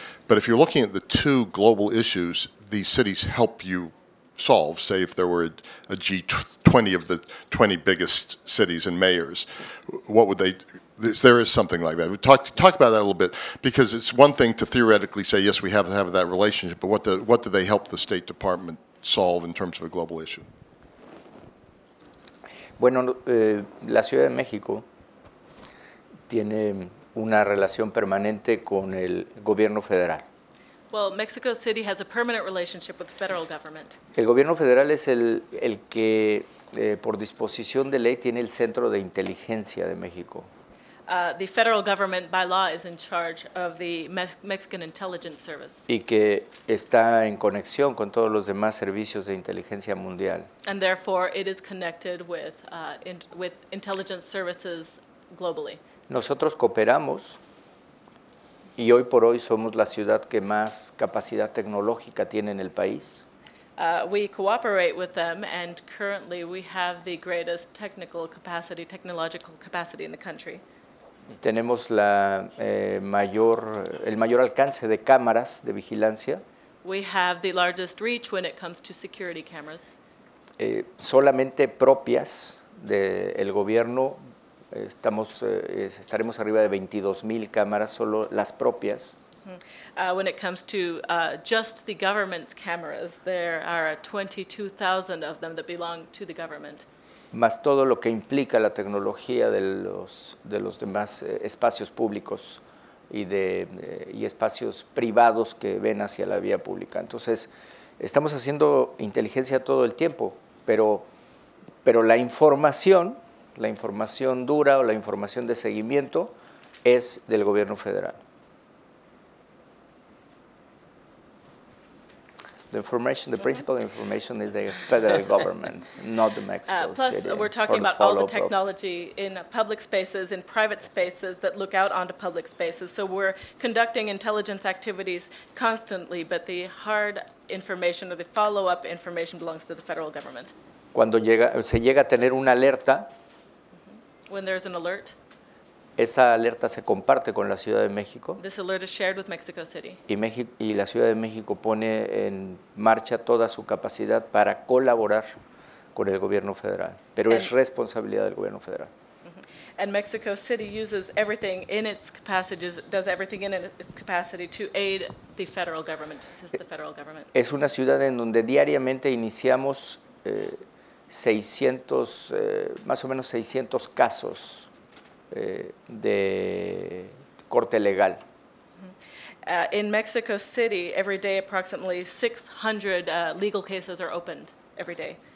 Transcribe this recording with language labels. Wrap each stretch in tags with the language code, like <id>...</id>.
<en>But if you're looking at the two global issues these cities help you solve, say if there were a G20 of the 20 biggest cities and mayors, what would they, there is something like that. Talk about that a little bit, because it's one thing to theoretically say, yes, we have to have that relationship, but what do they help the State Department solve in terms of a global issue?</en> <es>Bueno, la Ciudad de México tiene una relación permanente con el gobierno federal.</es> <en>Well, Mexico City has a permanent relationship with the federal government.</en> <es>El gobierno federal es el que, por disposición de ley, tiene el centro de inteligencia de México.</es> <en>The federal government, by law, is in charge of the Mexican intelligence service.</en> <es>Y que está en conexión con todos los demás servicios de inteligencia mundial.</es> <en>And therefore, it is connected with intelligence services globally.</en> <es>Nosotros cooperamos, y hoy por hoy somos la ciudad que más capacidad tecnológica tiene en el país.</es> <en>We cooperate with them, and currently we have the greatest technological capacity in the country.</en> <es>Tenemos la el mayor alcance de cámaras de vigilancia.</es> <en>We have the largest reach when it comes to security cameras.</en> <es>Solamente propias del gobierno, estaremos arriba de 22,000 cámaras, solo las propias.</es> <en>When it comes to just the government's cameras, there are 22,000 of them that belong to the government.</en> <es>Más todo lo que implica la tecnología de los demás espacios públicos y espacios privados que ven hacia la vía pública. Entonces, estamos haciendo inteligencia todo el tiempo, pero la información dura o la información de seguimiento es del gobierno federal.</es> <en>The principal information is the federal government, not the Mexico City. Plus, we're talking about all the technology in public spaces, in private spaces that look out onto public spaces. So we're conducting intelligence activities constantly, but the hard information or the follow-up information belongs to the federal government.</en> <es>Cuando se llega a tener una alerta,</es> <en>when there's an alert,</en> <es>esta alerta se comparte con la Ciudad de México.</es> <en>This alert is shared with Mexico City.</en> <es>Y la Ciudad de México pone en marcha toda su capacidad para colaborar con el gobierno federal. Pero es responsabilidad del gobierno federal.</es> <en>And Mexico City uses everything in its capacity, does everything in its capacity to aid the federal government, to assist the federal government.</en> <es>Es una ciudad en donde diariamente iniciamos 600, más o menos 600 casos de corte legal.</es> <en>In Mexico City, every day approximately 600 legal cases are opened every day.</en>